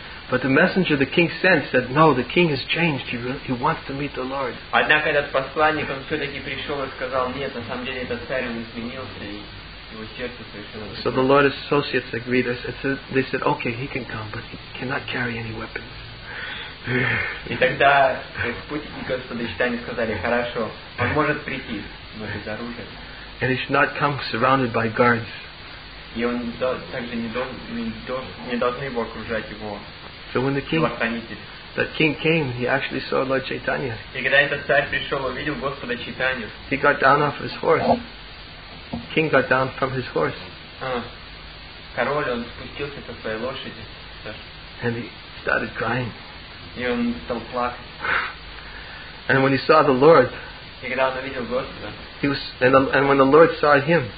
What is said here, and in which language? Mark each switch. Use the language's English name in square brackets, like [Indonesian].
[English] But the messenger the king sent said, no, the king has changed. He wants to meet the Lord. [Russian] Однако этот посланник, он все-таки пришел и сказал, нет, на самом деле этот царь, он изменился, и его сердце совершенно... [English] So the Lord's associates agreed. They said, okay, he can come, but he cannot carry any weapons. [Russian] И тогда спутники Господа Чайтанья сказали, хорошо, он может прийти, но без оружия. [English] And he should not come surrounded by guards. [Russian] И он также не должны его окружать его. [English] So when the king came, he actually saw Lord Chaitanya. [Russian] И когда этот царь пришел, увидел Господа Чайтанью. [English] He got down off his horse. King got down from his horse. [Russian] Король, он спустился со своей лошади. [English] And he started crying. [Russian] И он стал плакать. [English] And when he saw the Lord, [Russian] и когда он увидел Господа, [English] he was, and when the Lord saw him,